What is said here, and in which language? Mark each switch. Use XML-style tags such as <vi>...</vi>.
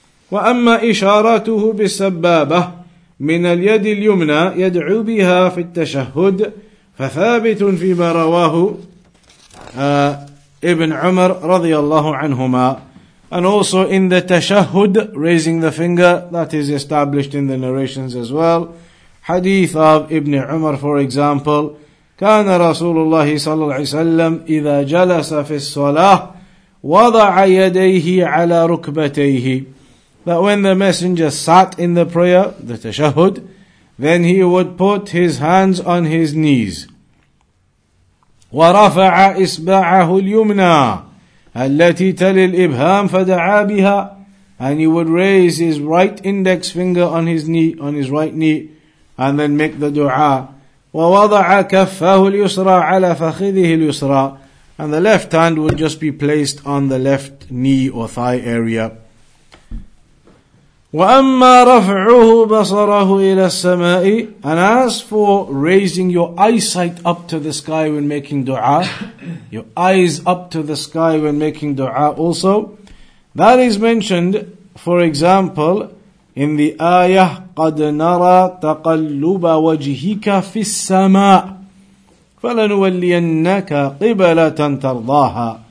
<ar>وَأَمَّا إِشَارَتُهُ بِالسَّبَّابَةِ مِنَ الْيَدِ الْيُمْنَى يَدْعُو بِهَا فِي التَّشَهُّدِ فَثَابِتٌ فِي مَا رَوَاهُ Ibn Umar رضي الله عنهما.</ar> <en>And also in the tashahud, raising the finger, that is established in the narrations as well. Hadith of Ibn Umar, for example,</en> <ar>كان رسول الله صلى الله عليه وسلم إذا جلس في الصلاة وضع يديه على ركبتيه.</ar> <en>That when the messenger sat in the prayer, the tashahud, then he would put his hands on his knees.</en> <ar>ورفع إصبعه اليمنى التي تلي الإبهام فدعا بها.</ar> <en>And he would raise his right index finger on his knee, on his right knee, and then make the dua.</en> <ar>ووضع كفه اليسرى على فخذه اليسرى.</ar> <en>And the left hand would just be placed on the left knee or thigh area.</en> <ar>وأما رفعه بصره إلى السماء.</ar> <en>And as for raising your eyesight up to the sky when making dua, your eyes up to the sky when making dua also, that is mentioned, for example, in the ayah,</en> <ar>قد نرى تقلب وجهك في السماء فلنولينك قبلة ترضاها.</ar>